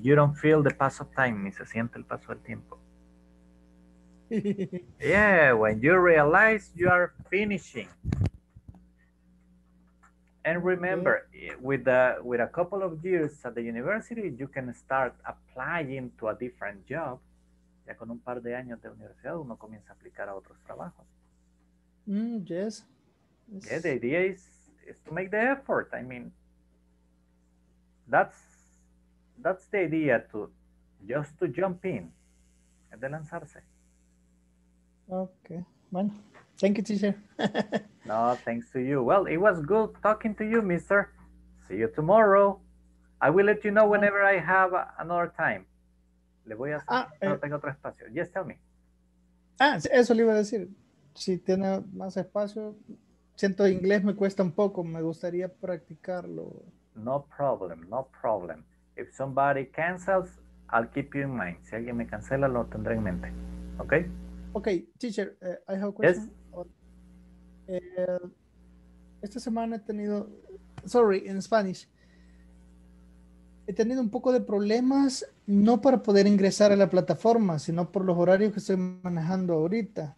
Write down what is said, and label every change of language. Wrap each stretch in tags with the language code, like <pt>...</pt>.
<en>You don't feel the pass of time.</en> <es>Ni se siente el paso del tiempo.</es> <en>Yeah, when you realize you are finishing. And remember, yeah. with a couple of years at the university, you can start applying to a different job.</en> <es>Ya con un par de años de universidad, uno comienza a aplicar a otros trabajos.</es> <en>Yes. Yeah, the idea is to make the effort. I mean, that's the idea, to just to jump in.</en> <es>Es de lanzarse.</es> <en>Okay. Bueno. Thank you, teacher. No, thanks to you. Well, it was good talking to you, mister. See you tomorrow. I will let you know whenever I have another time.</en> <es>Le voy a hacer, no tengo otro espacio.</es> <en>Yes, tell me.</en> <es>Ah, eso le iba a decir. Si tiene más espacio, siento inglés me cuesta un poco. Me gustaría practicarlo.</es> <en>No problem, no problem. If somebody cancels, I'll keep you in mind.</en> <es>Si alguien me cancela, lo tendré en mente.</es> <en>Okay? Okay, teacher, I have a question. Yes.</en> <es>Esta semana he tenido, sorry, en Spanish, he tenido un poco de problemas, no para poder ingresar a la plataforma, sino por los horarios que estoy manejando ahorita.</es>